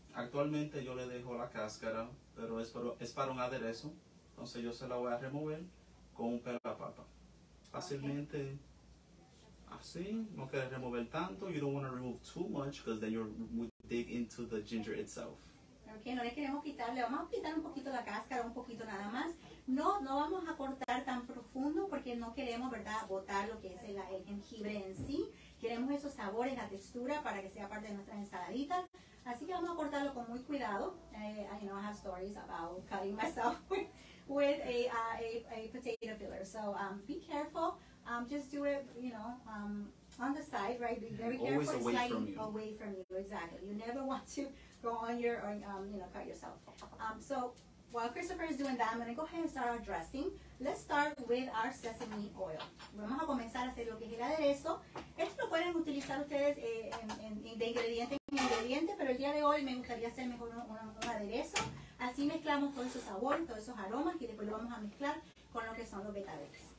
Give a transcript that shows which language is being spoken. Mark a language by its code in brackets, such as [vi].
[es] Actualmente yo le dejo la cáscara, pero es para un aderezo. Entonces yo se la voy a remover con un pelapapa. Fácilmente, okay. Así, no quieres remover tanto. [en] You don't want to remove too much because then you're dig into the ginger itself. [es] Okay, no le queremos quitar, le vamos a quitar un poquito la cáscara, un poquito nada más. No, no vamos a cortar tan profundo porque no queremos, ¿verdad?, botar lo que es el jengibre en sí. Queremos esos sabores, la textura para que sea parte de nuestras ensaladitas. Así que vamos a cortarlo con muy cuidado. [en] I know I have stories about cutting myself with a potato peeler. So be careful. Just do it, you know, on the side, right? Be very careful. Always away from you. Away from you, exactly. You never want to go on your, or, you know, cut yourself. So... While Christopher is doing that, I'm going to go ahead and start our dressing. Let's start with our sesame oil. [es] Vamos a comenzar a hacer lo que es el aderezo. Esto lo pueden utilizar ustedes de ingrediente en ingrediente, pero el día de hoy me gustaría hacer mejor un aderezo. Así mezclamos todo ese sabor, todos esos aromas, y después lo vamos a mezclar con lo que son los betabeles.